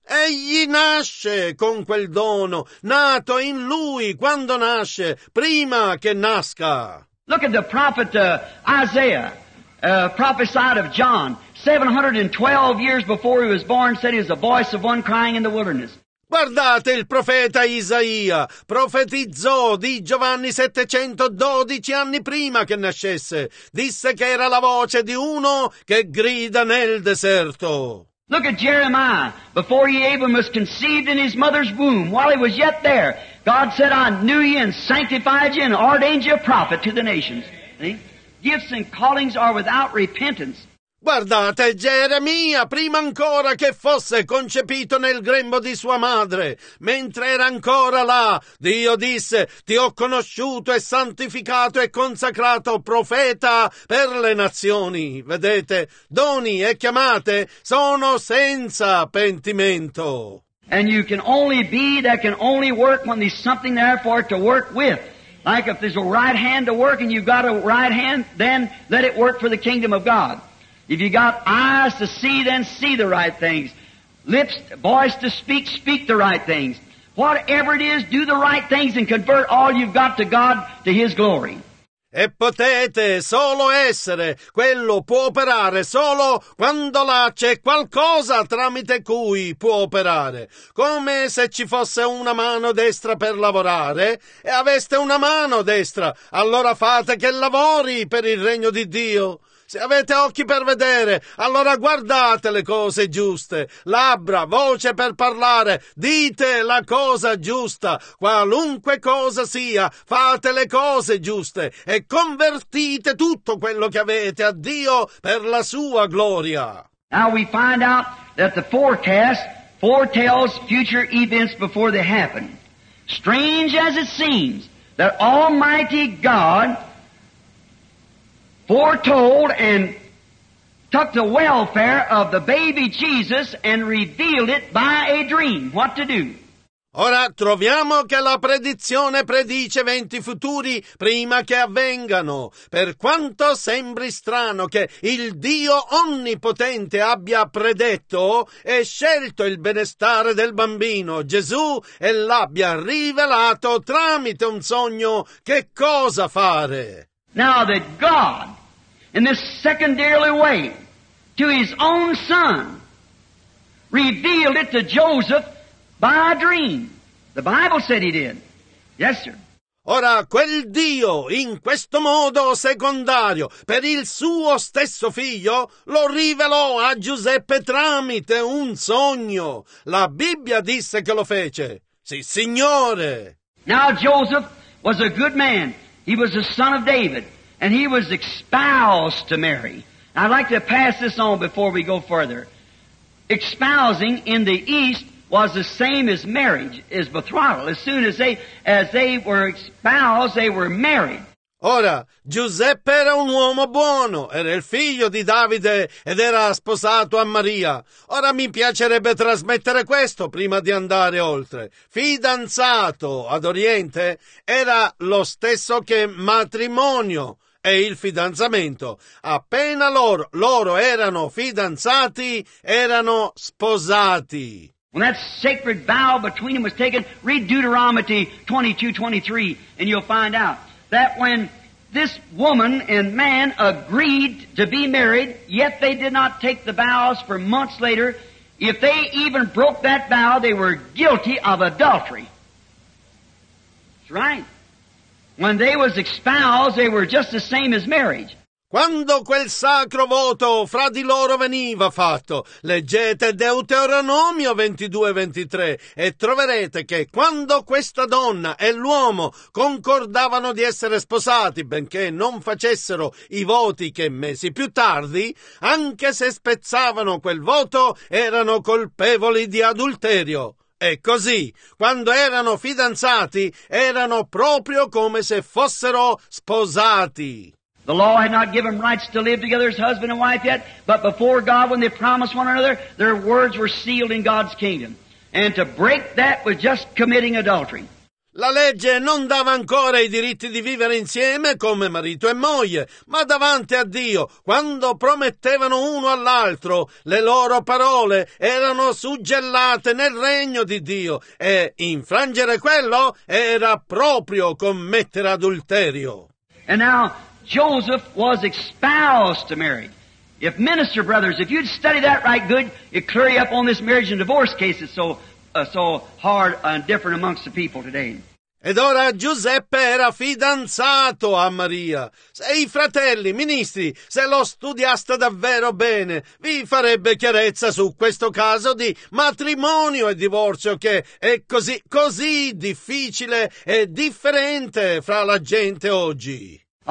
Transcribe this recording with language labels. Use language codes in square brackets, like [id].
[it] Egli nasce con quel dono, nato in lui quando nasce, prima che nasca. [en] Look at the prophet Isaiah, prophesied of John. 712 years before he was born, said he was the voice of one crying in the wilderness. [it] Guardate il profeta Isaia, profetizzò di Giovanni 712 anni prima che nascesse. Disse che era la voce di uno che grida nel deserto. [en] Look at Jeremiah, before he even was conceived in his mother's womb, while he was yet there, God said, I knew you and sanctified you and ordained you a prophet to the nations. See? Gifts and callings are without repentance. [it] Guardate Geremia, prima ancora che fosse concepito nel grembo di sua madre, mentre era ancora là, Dio disse, ti ho conosciuto e santificato e consacrato profeta per le nazioni. Vedete, doni e chiamate sono senza pentimento. [en] And you can only be that can only work when there's something there for it to work with. Like if there's a right hand to work and you've got a right hand, then let it work for the kingdom of God. If you got eyes to see, then see the right things. Lips, voice to speak, speak the right things. Whatever it is, do the right things and convert all you've got to God, to His glory. [it] E potete solo essere, quello può operare solo quando là c'è qualcosa tramite cui può operare. Come se ci fosse una mano destra per lavorare e aveste una mano destra, allora fate che lavori per il regno di Dio. Se avete occhi per vedere, allora guardate le cose giuste. Labbra, voce per parlare, dite la cosa giusta. Qualunque cosa sia, fate le cose giuste e convertite tutto quello che avete a Dio per la sua gloria. [en] Now we find out that the forecast foretells future events before they happen. Strange as it seems, that Almighty God foretold and took the welfare of the baby Jesus and revealed it by a dream. What to do? [it] Ora troviamo che la predizione predice eventi futuri prima che avvengano. Per quanto sembri strano che il Dio onnipotente abbia predetto e scelto il benestare del bambino Gesù e l'abbia rivelato tramite un sogno, che cosa fare? [en] Now that God in this secondary way, to his own son, revealed it to Joseph by a dream. The Bible said he did. Yes, sir. [it] Ora, quel Dio, in questo modo secondario, per il suo stesso figlio, lo rivelò a Giuseppe tramite un sogno. La Bibbia disse che lo fece. Sì, Signore! [en] Now Joseph was a good man. He was the son of David, and he was espoused to Mary. I'd like to pass this on before we go further. Espousing in the East was the same as marriage, as betrothal. As soon as they were espoused, they were married. [it] Ora, Giuseppe era un uomo buono, era il figlio di Davide ed era sposato a Maria. Ora mi piacerebbe trasmettere questo prima di andare oltre. Fidanzato ad Oriente era lo stesso che matrimonio e il fidanzamento. Appena loro erano fidanzati, erano sposati. [en] When that sacred vow between them was taken, read Deuteronomy 22:23 and you'll find out. That when this woman and man agreed to be married, yet they did not take the vows for months later, if they even broke that vow, they were guilty of adultery. That's right. When they was espoused, they were just the same as marriage. [it] Quando quel sacro voto fra di loro veniva fatto, leggete Deuteronomio 22:23 e troverete che quando questa donna e l'uomo concordavano di essere sposati, benché non facessero i voti che mesi più tardi, anche se spezzavano quel voto, erano colpevoli di adulterio. E così, quando erano fidanzati, erano proprio come se fossero sposati. [en] The law had not given rights to live together as husband and wife yet, but before God, when they promised one another, their words were sealed in God's kingdom. And to break that was just committing adultery. [it] La legge non dava ancora i diritti di vivere insieme come marito e moglie, ma davanti a Dio, quando promettevano uno all'altro, le loro parole erano suggellate nel regno di Dio, e infrangere quello era proprio commettere adulterio. [en] And now, Joseph was espoused to Mary. If minister brothers, if you'd study that right good, it'd clear you up on this marriage and divorce case that's so hard and different amongst the people today. [it] Ed ora Giuseppe era fidanzato a Maria. Se i fratelli, ministri, se lo studiaste davvero bene, vi farebbe chiarezza su questo caso di matrimonio e divorzio che è così, così difficile e differente fra la gente oggi.